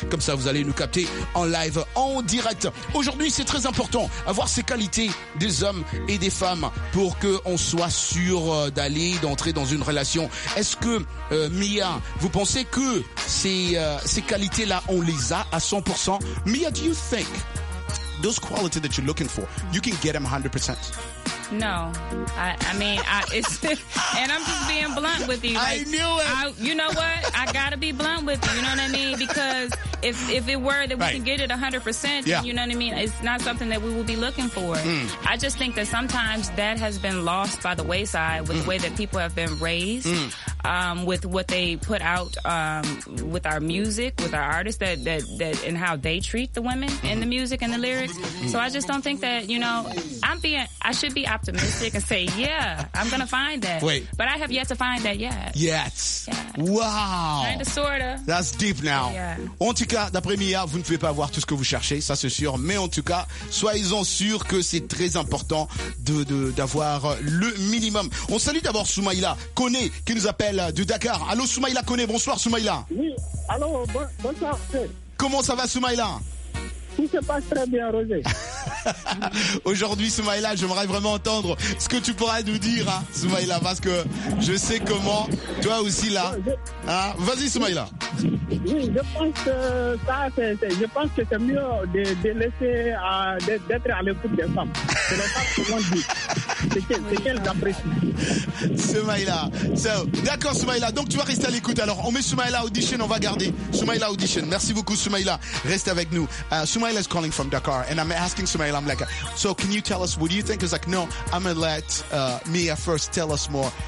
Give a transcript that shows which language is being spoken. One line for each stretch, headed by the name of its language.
French: Comme ça, vous allez nous capter en live, en direct. Aujourd'hui, c'est très important avoir ces qualités des hommes et des femmes pour qu'on soit sûr d'aller, d'entrer dans une relation. Est-ce que, Mia, vous pensez que ces qualités-là, on les a à 100%?
English: Mia, do you think those qualities that you're looking for, you can get them 100%? No, I mean, and I'm just being blunt with you. Like, I knew it. You know what? I gotta be blunt with you. You know what I mean? Because if it were that we right. can get it 100%, yeah. then you know what I mean? It's not something that we will be looking for. Mm. I just think that sometimes that has been lost by the wayside with mm. the way that people have been raised, mm. With what they put out, with our music, with our artists that and how they treat the women mm. in the music and the lyrics. Mm. So I just don't think that, you know, I should be optimistic and say, yeah, I'm gonna find that. Wait. But I have yet to find that yet. Yet. Yeah. Wow. Kinda, sorta. That's deep now. Yeah.
French: En tout cas, d'après Mia, vous ne pouvez pas avoir tout ce que vous cherchez, ça c'est sûr. Mais en tout cas, soyez-en sûrs que c'est très important d'avoir le minimum. On salue d'abord Soumaïla Koné qui nous appelle de Dakar. Allô Soumaïla Koné, bonsoir Soumaïla. Oui, allô, bonsoir. Comment ça va Soumaïla? Tout se passe très bien, Roger. Aujourd'hui Soumaïla, j'aimerais vraiment entendre ce que tu pourras nous dire, hein, Soumaïla, parce que je sais comment, toi aussi là. Hein, vas-y Soumaïla. Oui, je pense que c'est mieux de laisser d'être à l'écoute des femmes. C'est la femme qui m'ont dit. C'est Soumaïla. So, d'accord Soumaïla, donc tu vas rester à l'écoute. Alors on met Soumaïla audition, on va garder Soumaïla audition. Merci beaucoup Soumaïla, reste avec nous.
English: Soumaïla is calling from Dakar and I'm asking Soumaïla, I'm like, so can you tell us what do you think? He's like, no, I'm gonna let Mia first tell us more.